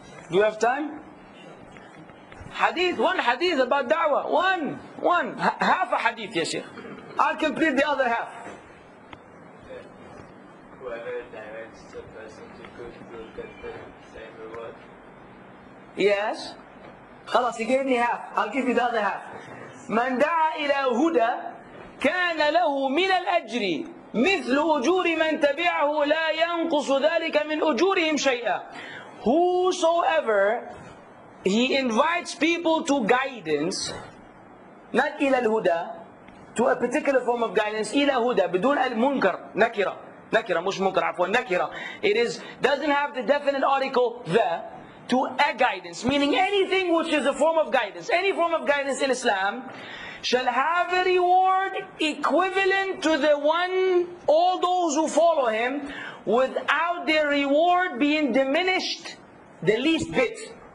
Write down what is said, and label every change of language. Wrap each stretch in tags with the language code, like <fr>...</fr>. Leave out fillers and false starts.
<en>Do you have time? Hadith, one hadith about da'wah. One. Half a hadith, ya Sheikh. I'll complete the other half. Whoever directs the person to good will get the same reward. Yes. خلاص, he gave me half. I'll give you the other half.</en> <ar>من دعا إلى هدى كان له من الأجر مثل أجور من تبعه لا ينقص ذلك من أجورهم شيئا.</ar> <en>Whosoever he invites people to guidance, not</en> <ar>إلى الهدى,</ar> <en>to a particular form of guidance,</en> <ar>إلى هدى بدون المنكر, نكرة مش منكر عفوا, نكرة,</ar> <en>it is, doesn't have the definite article the, to a guidance, meaning anything which is a form of guidance, any form of guidance in Islam, shall have a reward equivalent to the one, all those who follow him, without their reward being diminished the least bit.</en>